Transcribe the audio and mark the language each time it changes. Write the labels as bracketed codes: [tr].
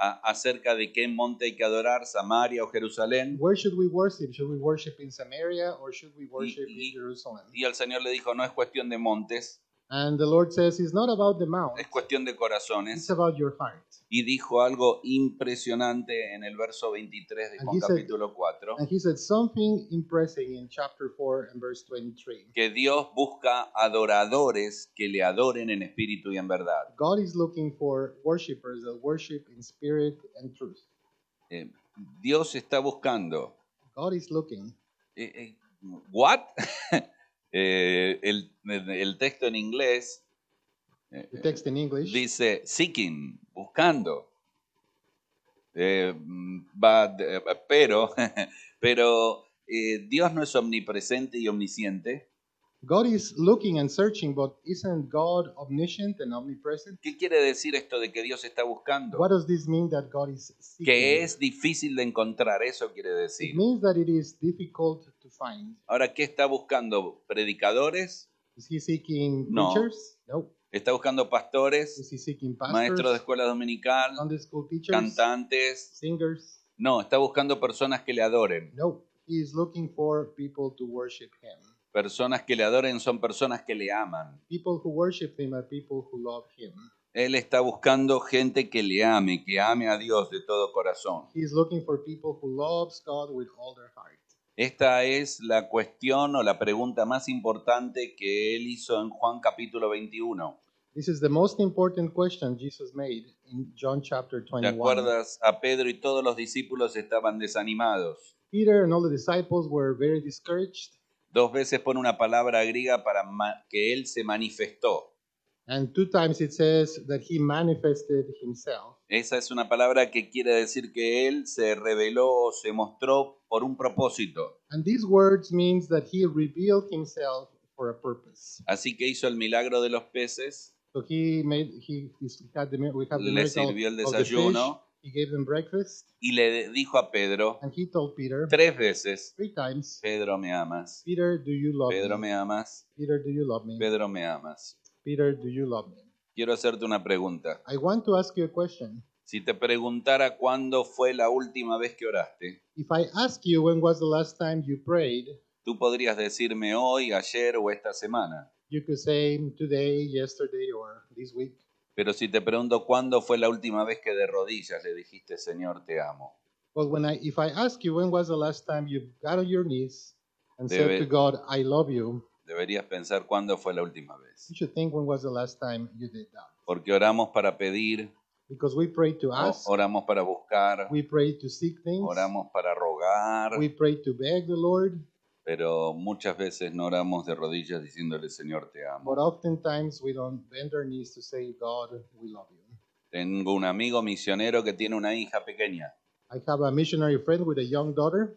[es] Acerca de qué monte hay que adorar, Samaria o Jerusalén. [en] Where should we worship? Should we worship in Samaria or should we worship in Jerusalem? [es] Y el Señor le dijo, no es cuestión de montes. [en] And the Lord says, it's not about the mount. [es] Es cuestión de corazones. [en] It's about your heart. [es] Y dijo algo impresionante en el verso 23 de Juan capítulo 4. [en] And he said something impressive in chapter 4 and verse 23. [es] Que Dios busca adoradores que le adoren en espíritu y en verdad. [en] God is looking for worshipers that worship in spirit and truth. [es] Dios está buscando. [en] God is looking. What? [es] El texto en inglés [en] The text in English. [es] Dice seeking, buscando. But, pero Dios no es omnipresente y omnisciente. [en] God is looking and searching, but isn't God omniscient and omnipresent? [es] ¿Qué quiere decir esto de que Dios está buscando? [en] What does this mean that God is seeking? [es] Que es difícil de encontrar, eso quiere decir. [en] It means that it is difficult to find. [es] Ahora, ¿qué está buscando? ¿Predicadores? [en] Is he seeking preachers? [es] No. Está buscando pastores, [en] is he seeking pastors, [es] maestros de escuela dominical, [en] Sunday school teachers, [es] cantantes, [en] singers. [es] No, está buscando personas que le adoren. [en] No, he is looking for people to worship him. [es] Personas que le adoren son personas que le aman. [en] People who worship him are people who love him. [es] Él está buscando gente que ame a Dios de todo corazón. [en] He is looking for people who loves God with all their heart. [es] Esta es la cuestión o la pregunta más importante que él hizo en Juan capítulo 21. [en] This is the most important question Jesus made in John chapter 21. [es] ¿Te acuerdas? A Pedro y todos los discípulos estaban desanimados. [en] Peter and all the disciples were very discouraged. [es] Dos veces pone una palabra griega para que él se manifestó. [en] And two times it says that he manifested himself. [es] Esa es una palabra que quiere decir que él se reveló o se mostró por un propósito. [en] And these words means that he revealed himself for a purpose. [es] Así que hizo el milagro de los peces. [en] So he made he had the we have the [es] le sirvió el desayuno. [en] Of the fish. He gave them breakfast. [es] Y le dijo a Pedro, [en] and he told Peter, [es] tres veces, [en] three times, [es] Pedro me amas. [en] Peter, do you love [es] Pedro [en] me? [es] Me amas. [en] Peter, do you love me? [es] Pedro me amas. [en] Peter, do you love me? [es] Quiero hacerte una pregunta. [en] I want to ask you a question. [es] Si te preguntara cuándo fue la última vez que oraste, [en] if I ask you when was the last time you prayed, [es] tú podrías decirme hoy, ayer o esta semana. [en] You could say today, yesterday, or this week. [es] Pero si te pregunto cuándo fue la última vez que de rodillas le dijiste Señor te amo. [en] Well, when I if I ask you when was the last time you got on your knees and said to God I love you. [es] Deberías pensar cuándo fue la última vez. [en] You should think when was the last time you did that. [es] Porque oramos para pedir. [en] Because we pray to ask. [es] Oramos para buscar. [en] We pray to seek things. [es] Oramos para rogar. [en] We pray to beg the Lord. [es] Pero muchas veces no oramos de rodillas diciéndole Señor te amo. [en] But oftentimes we don't bend our knees to say God we love you. [es] Tengo un amigo misionero que tiene una hija pequeña. [en] I have a missionary friend with a young daughter.